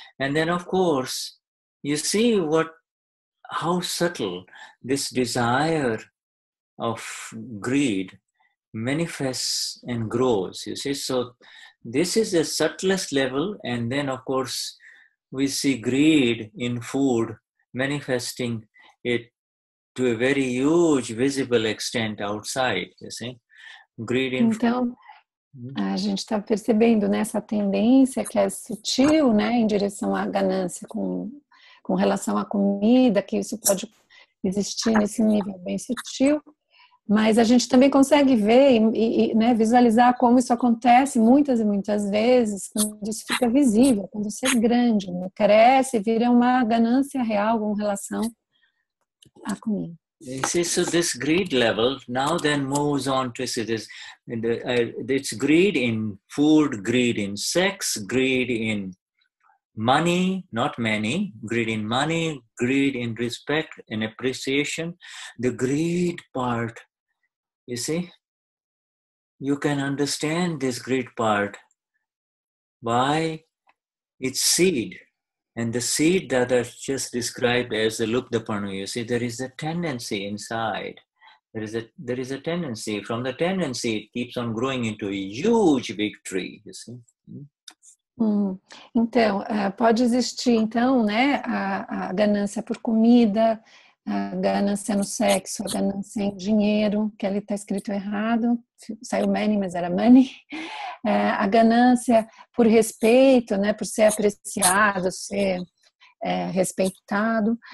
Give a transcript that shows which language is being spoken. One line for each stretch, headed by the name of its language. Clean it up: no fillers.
English: And then, of course, you see how subtle this desire of greed manifests and grows, you see. So this is the subtlest level, and then of course we see greed in food manifesting it to a very huge visible extent outside, you see. Greed in food.
Portuguese: A gente está percebendo nessa tendência que é sutil, né, em direção à ganância com relação à comida, que isso pode existir nesse nível bem sutil, mas a gente também consegue ver e visualizar como isso acontece muitas e muitas vezes, quando isso fica visível, quando isso é grande, né? Cresce, vira uma ganância real com relação à comida.
English: So this greed level now then moves on to see this. It's greed in food, greed in sex, greed in money, not many, greed in money, greed in respect and appreciation. The greed part, you see, you can understand this greed part by its seed. And the seed that I just described as the lubdhapanoo, you see, there is a tendency inside. There is a tendency. From the tendency, it keeps on growing into a huge, big tree, you see.
Portuguese: Então, pode existir, então, né, a ganância por comida, a ganância no sexo, a ganância em dinheiro, que ali está escrito errado, saiu many, mas era money, a ganância por respeito, né, por ser apreciado, ser respeitado.